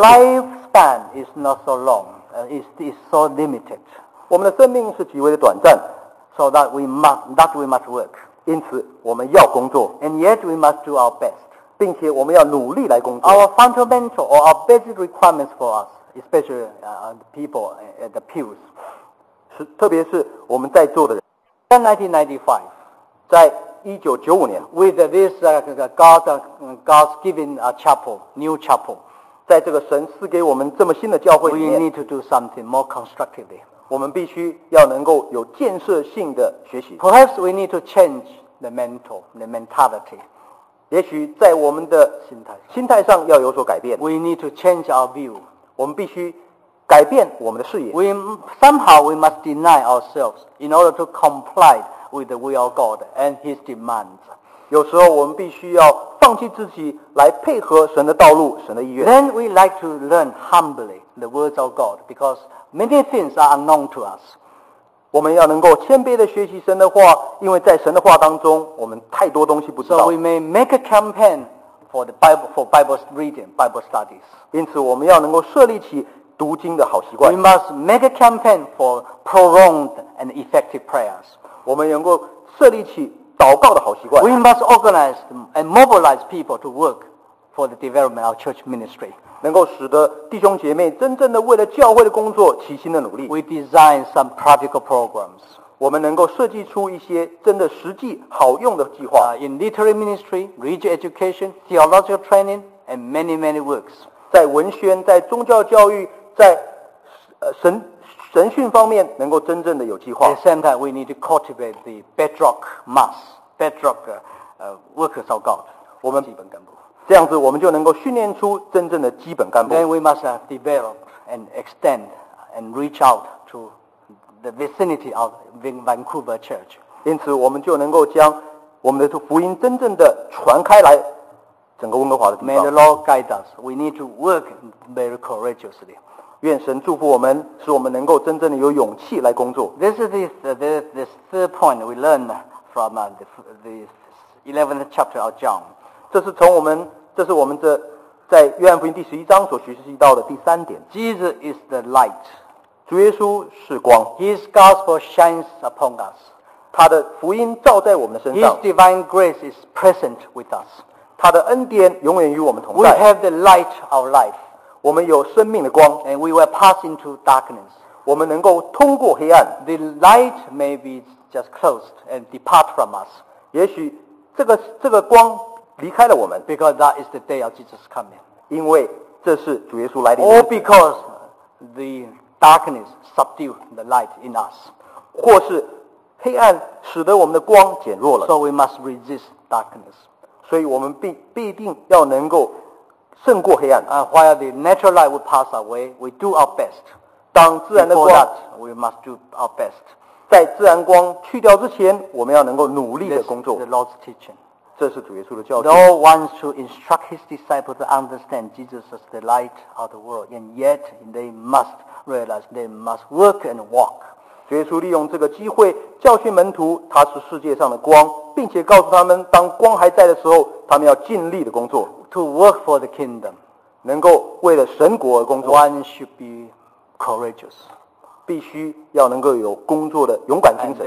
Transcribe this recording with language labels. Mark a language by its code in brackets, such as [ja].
[en] Our lifespan is not so long, it's so limited. [zh] 我们的生命是极为的短暂。 [en] So that we must work. [zh] 因此我们要工作。 [en] And yet we must do our best. [zh] 并且我们要努力来工作。 [en] Our fundamental or our basic requirements for us, especially the people at the pews. [zh] 特别是我们在座的人 [en] 1995 with this God's given a chapel new chapel [zh] 在这个神赐给我们这么新的教会里面 [en] we need to do something more constructively [zh] 我们必须要能够有建设性的学习 [en] perhaps we need to change the mentality [zh] 也许在我们的心态上要有所改变 [en] we need to change our view [zh] 我们必须改变我们的视野。 [en] Somehow we must deny ourselves in order to comply with the will of God and His demands. [zh] 有时候我们必须要放弃自己来配合神的道路、神的意愿。 [en] Then we like to learn humbly the words of God because many things are unknown to us. [zh] 我们要能够谦卑地学习神的话，因为在神的话当中，我们太多东西不知道。 [en] So we may make a campaign for the Bible for Bible reading, Bible studies. [zh] 因此，我们要能够设立起读经的好习惯。 [en] We must make a campaign for prolonged and effective prayers. [zh] 我们能够设立起祷告的好习惯。 [en] We must organize and mobilize people to work for the development of church ministry. [zh] 能够使得弟兄姐妹真正的为了教会的工作齐心的努力。 [en] We design some practical programs. [zh] 我们能够设计出一些真的实际好用的计划。 [en] In literary ministry, religious education, theological training, and many, many works. [zh] 在文宣、在宗教教育、在神训方面，能够真正的有计划。 [en] At the same time, we need to cultivate the bedrock mass, bedrock workers of God. [zh] 我们基本干部，这样子我们就能够训练出真正的基本干部。 [en] Then we must develop and extend and reach out to the vicinity of Vancouver Church. [zh] 因此，我们就能够将我们的福音真正的传开来。整个温哥华的地方。 [en] May the Lord guide us. We need to work very courageously. [zh] 愿神祝福我们，使我们能够真正的有勇气来工作。 [en] This is the third point we learn from the 11th chapter of John. [zh] 这是我们这在约翰福音第十一章所学习到的第三点。 [en] Jesus is the light. [zh] 主耶稣是光。 [en] His gospel shines upon us. [zh] 他的福音照在我们的身上。 [en] His divine grace is present with us. [zh] 他的恩典永远与我们同在。 [en] We have the light of life. [zh] 我们有生命的光。 [en] And we will pass into darkness. [zh] 我们能够通过黑暗。 [en] The light may be just closed and depart from us. [zh] 也许这个光离开了我们。 [en] Because that is the day of Jesus coming. [zh] 因为这是主耶稣来临。 [en] Or because the darkness subdued the light in us. [zh] 或是黑暗使得我们的光减弱了。 [en] So we must resist darkness. [zh] 所以我们必定要能够胜过黑暗。 [en] While the natural light will pass away, we do our best. [zh] 当自然的光 [en] Before that, we must do our best. [zh] 在自然光去掉之前，我们要能够努力的工作。 [en] This is the Lord's teaching. [zh] 这是主耶稣的教训。 [en] No one should instruct his disciples to understand Jesus as the light of the world, and yet they must realize they must work and walk. [zh] 主耶稣利用这个机会教训门徒，他是世界上的光，并且告诉他们，当光还在的时候，他们要尽力的工作。 [en] To work for the kingdom, [zh] 能够为了神国而工作。 [en] One should be courageous. [zh] 必须要能够有工作的勇敢精神。